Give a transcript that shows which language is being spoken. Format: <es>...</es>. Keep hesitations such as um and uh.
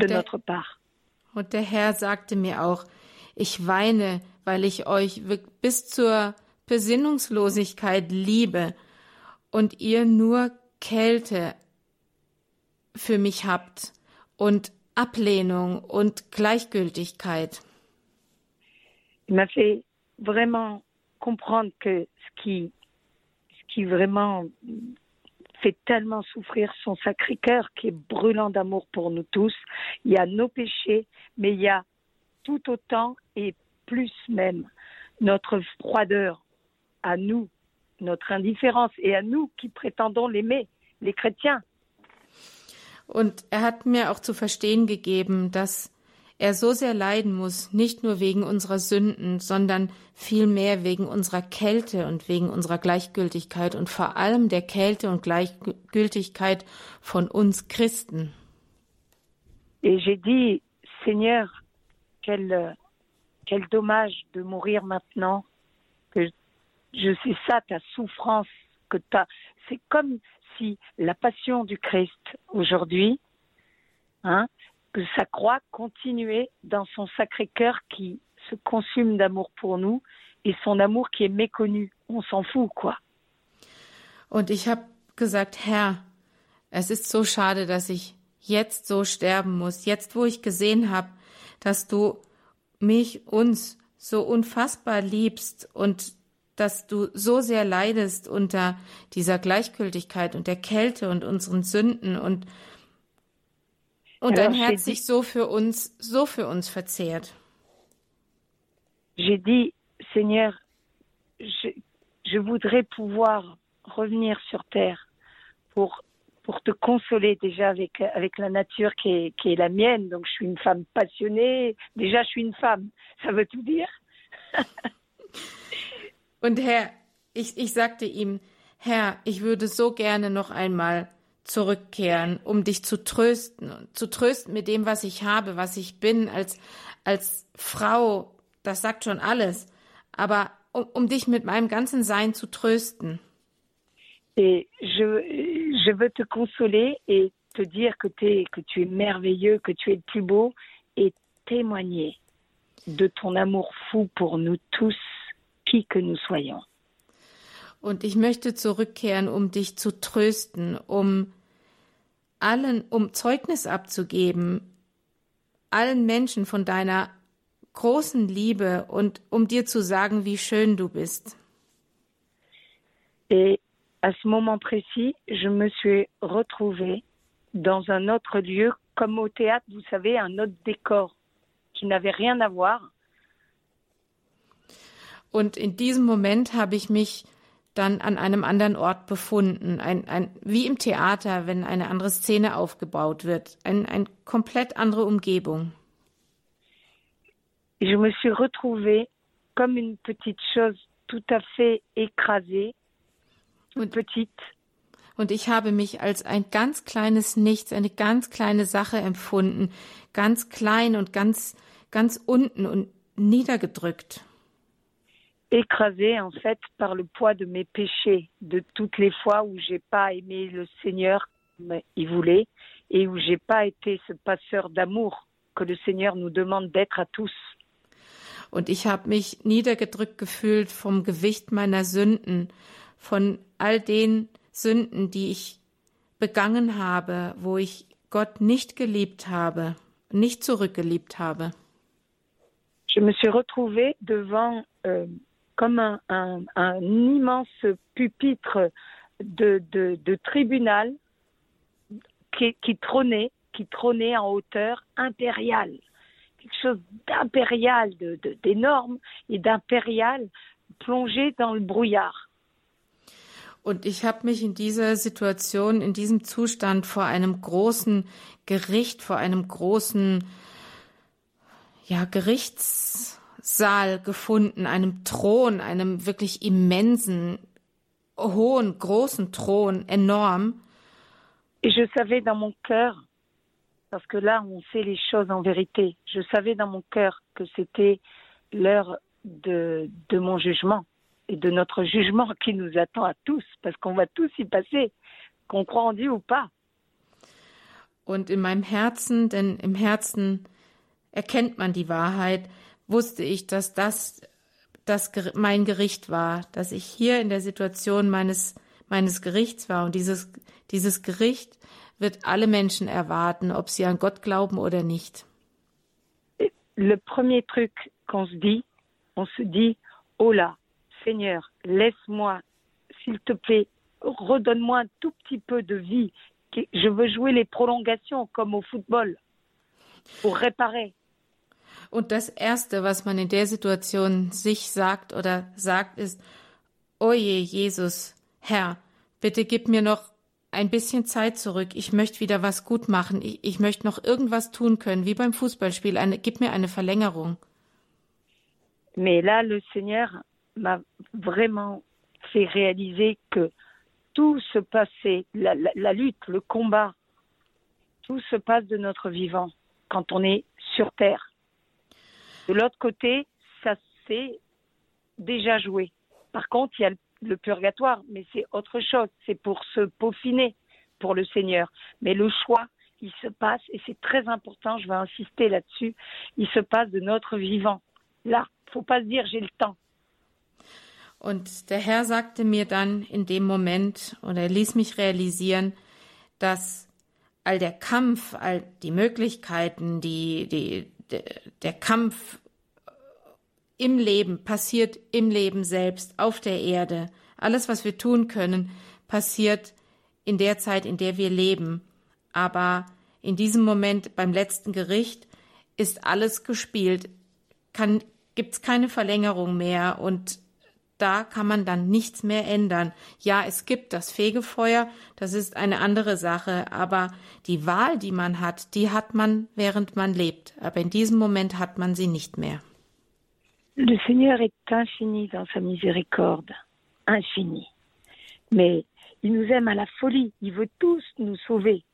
<fr>Peut-être. notre part.</fr> <de>Und der Herr sagte mir auch, ich weine, weil ich euch wirk- bis zur Besinnungslosigkeit liebe und ihr nur Kälte für mich habt und Ablehnung und Gleichgültigkeit.</de> <fr>Il m'a fait vraiment comprendre que ce qui, ce qui vraiment fait tellement souffrir son sacré cœur qui est brûlant d'amour pour nous tous. Il y a nos péchés, mais il y a tout autant et plus même notre froideur à nous, notre indifférence et à nous qui prétendons l'aimer, les chrétiens.</fr> <de>Und er hat mir auch zu verstehen gegeben, dass er so sehr leiden muss, nicht nur wegen unserer Sünden, sondern vielmehr wegen unserer Kälte und wegen unserer Gleichgültigkeit und vor allem der Kälte und Gleichgültigkeit von uns Christen.</de> <fr>Et j'ai dit, Seigneur, quel, quel dommage de mourir maintenant, que je sais ça, ta souffrance, que t'as. C'est comme si la passion du Christ aujourd'hui, hein, que sa croix continuait dans son sacré cœur qui se consume d'amour pour nous et son amour qui est méconnu. On s'en fout, quoi.</fr> <de>Und ich habe gesagt, Herr, es ist so schade, dass ich jetzt so sterben muss, jetzt wo ich gesehen habe, dass du mich, uns so unfassbar liebst und dass du so sehr leidest unter dieser Gleichgültigkeit und der Kälte und unseren Sünden und Und dein Herz sich so für uns, so für uns verzehrt.</de> <fr>J'ai dit, Seigneur, je, je, voudrais pouvoir revenir sur terre pour, pour te consoler déjà avec, avec la nature qui est, qui est la mienne. Donc je suis une femme passionnée. Déjà, je suis une femme. Ça veut tout dire.</fr> <de>Und Herr, ich, ich sagte ihm, Herr, ich würde so gerne noch einmal zurückkehren, um dich zu trösten, zu trösten mit dem, was ich habe, was ich bin als, als Frau. Das sagt schon alles. Aber um, um dich mit meinem ganzen Sein zu trösten.</de> <fr>Et je, je veux te consoler et te dire que, es, que tu es merveilleux, que tu es le plus beau et témoigner de ton amour fou pour nous tous, qui que nous soyons.</fr> <de>Und ich möchte zurückkehren, um dich zu trösten, um allen, um Zeugnis abzugeben, allen Menschen von deiner großen Liebe und um dir zu sagen, wie schön du bist.</de> <fr>Et à ce moment précis, je me suis retrouvée dans un autre lieu, comme au théâtre, vous savez, un autre décor qui n'avait rien à voir.</fr> <de>Und in diesem Moment habe ich mich dann an einem anderen Ort befunden. Ein, ein, wie im Theater, wenn eine andere Szene aufgebaut wird. Eine ein komplett andere Umgebung.</de> <fr>Je me suis retrouvée comme une petite chose tout à fait écrasée,</fr> <de>und,</de> <fr>petite.</fr> <de>Und ich habe mich als ein ganz kleines Nichts, eine ganz kleine Sache empfunden. Ganz klein und ganz, ganz unten und niedergedrückt.</de> <fr>écrasée en fait par le poids de mes péchés, de toutes les fois où j'ai pas aimé le Seigneur comme il voulait et où j'ai pas été ce passeur d'amour que le Seigneur nous demande d'être à tous.</fr> <de>Und ich habe mich niedergedrückt gefühlt vom Gewicht meiner Sünden, von all den Sünden, die ich begangen habe, wo ich Gott nicht geliebt habe, nicht zurückgeliebt habe.</de> <fr>Je me suis retrouvée devant euh, comme un, un, un, immense pupitre de, de, de tribunal qui, qui, trônait, qui trônait en hauteur impériale. Quelque chose d'impérial, d'énorme de, et d'impérial plongé dans le brouillard.</fr> <de>Und ich habe mich in dieser Situation, in diesem Zustand vor einem großen Gericht, vor einem großen ja, Gerichts, Saal gefunden, einem Thron, einem wirklich immensen, hohen, großen Thron, enorm.</de> <fr>Et je savais dans mon cœur, parce que là on sait les choses en vérité, je savais dans mon cœur que c'était l'heure de, de mon jugement et de notre jugement qui nous attend à tous, parce qu'on va tous y passer, qu'on croit en Dieu ou pas.</fr> <de>Und in meinem Herzen, denn im Herzen erkennt man die Wahrheit, wusste ich, dass das, das mein Gericht war, dass ich hier in der Situation meines, meines Gerichts war. Und dieses, dieses Gericht wird alle Menschen erwarten, ob sie an Gott glauben oder nicht.</de> <fr>Le premier truc qu'on se dit, on se dit, oh là, Seigneur, laisse-moi, s'il te plaît, redonne-moi un tout petit peu de vie. Je veux jouer les prolongations comme au football pour réparer.</fr> <de>Und das Erste, was man in der Situation sich sagt oder sagt, ist, Oje, Jesus, Herr, bitte gib mir noch ein bisschen Zeit zurück. Ich möchte wieder was gut machen. Ich, ich möchte noch irgendwas tun können, wie beim Fußballspiel. Eine, gib mir eine Verlängerung.</de> <fr>Mais là, le Seigneur m'a vraiment fait réaliser que tout se passait, la, la, la lutte, le combat, tout se passe de notre vivant quand on est sur Terre. De l'autre côté, ça s'est déjà joué. Par contre, il y a le purgatoire, mais c'est autre chose. C'est pour se peaufiner pour le Seigneur. Mais le choix, il se passe, et c'est très important, je vais insister là-dessus, il se passe de notre vivant. Là, faut pas se dire j'ai le temps.</fr> <de>Und der Herr sagte mir dann in dem Moment, und er ließ mich realisieren, dass all der Kampf, all die Möglichkeiten, die, die, de, der Kampf im Leben passiert im Leben selbst, auf der Erde. Alles, was wir tun können, passiert in der Zeit, in der wir leben. Aber in diesem Moment beim letzten Gericht ist alles gespielt, kann, gibt's keine Verlängerung mehr und da kann man dann nichts mehr ändern. Ja, es gibt das Fegefeuer, das ist eine andere Sache, aber die Wahl, die man hat, die hat man, während man lebt. Aber in diesem Moment hat man sie nicht mehr.</de> <fr>Le Seigneur est infini dans sa miséricorde, infini. Mais il nous aime à la folie, il veut tous nous sauver.</fr>